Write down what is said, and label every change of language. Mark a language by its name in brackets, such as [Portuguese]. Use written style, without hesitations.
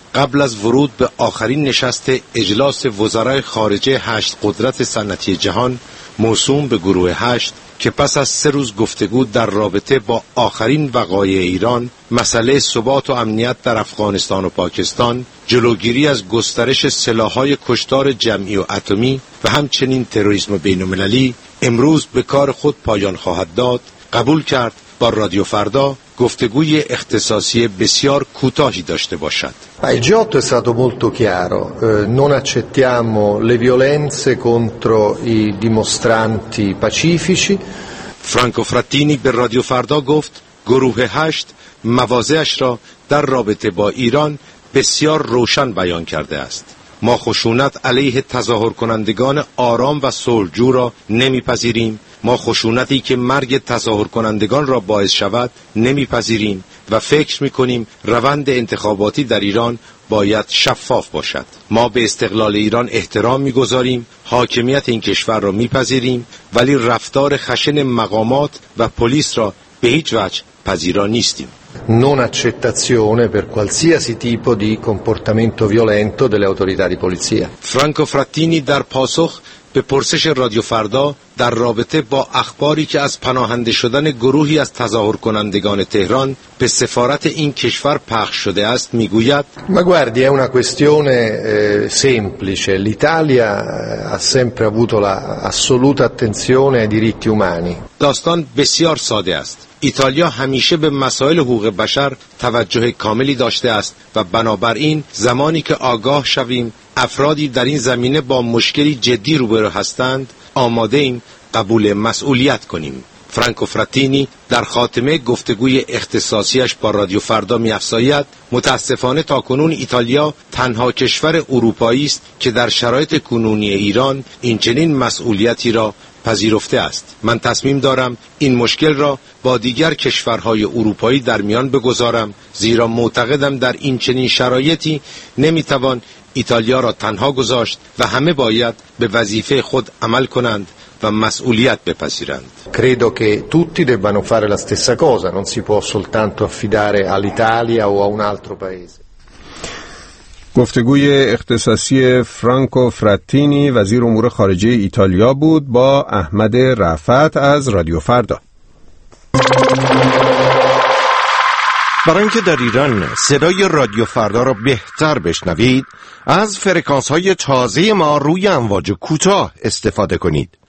[Persian] قبل از ورود به آخرین نشست اجلاس وزرای خارجه 8 قدرت صنعتی جهان موسوم به گروه 8 که پس از 3 روز گفتگو در رابطه با آخرین وقایع ایران، مسئله ثبات و امنیت در افغانستان و پاکستان، جلوگیری از گسترش سلاح‌های کشتار جمعی و اتمی و همچنین تروریسم بین‌المللی امروز به کار خود پایان خواهد داد، قبول کرد با رادیو فردا گفتگوی اختصاصی بسیار کوتاهی داشته باشد. [Italian] Il G8 è stato molto chiaro, non accettiamo le violenze contro i dimostranti pacifici. [Persian] Franco Frattini به رادیو فردا گفت گروه 8 مواضعش را در رابطه با ایران بسیار روشن بیان کرده است. ما خشونت علیه تظاهرکنندگان آرام و صلح‌جو را نمی‌پذیریم. ما خشونتی که مرگ تظاهرکنندگان را باعث شود نمی‌پذیریم و فکر می‌کنیم روند انتخاباتی در ایران باید شفاف باشد. ما به استقلال ایران احترام می‌گذاریم، حاکمیت این کشور را می‌پذیریم، ولی رفتار خشن مقامات و پلیس را به هیچ وجه پذیرا نیستیم. [Italian] Non accettazione per qualsiasi tipo di comportamento violento delle autorità di polizia. [Persian] Franco Frattini در پاسخ به پرسش رادیو فردا در رابطه با اخباری که از پناهنده شدن گروهی از تظاهرکنندگان تهران به سفارت این کشور پخش شده است میگوید: [Italian] Ma guardi, è una questione semplice. L'Italia ha sempre avuto l'assoluta attenzione ai diritti umani. [Persian] داستان بسیار ساده است. ایتالیا همیشه به مسائل حقوق بشر توجه کاملی داشته است و بنابراین زمانی که آگاه شویم افرادی در این زمینه با مشکلی جدی روبرو هستند آماده ایم قبول مسئولیت کنیم. فرانکو فراتینی در خاتمه گفتگوی اختصاصیش با رادیو فردا می افزاید متاسفانه تا کنون ایتالیا تنها کشور اروپایی است که در شرایط کنونی ایران این چنین مسئولیتی را پذیرفته است. من تصمیم دارم این مشکل را با دیگر کشورهای اروپایی در میان بگذارم، زیرا معتقدم در این چنین شرایطی نمیتوان ایتالیا را تنها گذاشت و همه باید به وظیفه خود عمل کنند و مسئولیت بپذیرند. [Italian] Credo che tutti debbano fare la stessa cosa, non si può soltanto affidare all'Italia o a un altro paese. [Persian] گفتگوی اختصاصی فرانکو فراتینی وزیر امور خارجه ایتالیا بود با احمد رفعت از رادیو فردا. برای اینکه در ایران صدای رادیو فردا را بهتر بشنوید از فرکانس‌های تازه ما روی امواج کوتاه استفاده کنید.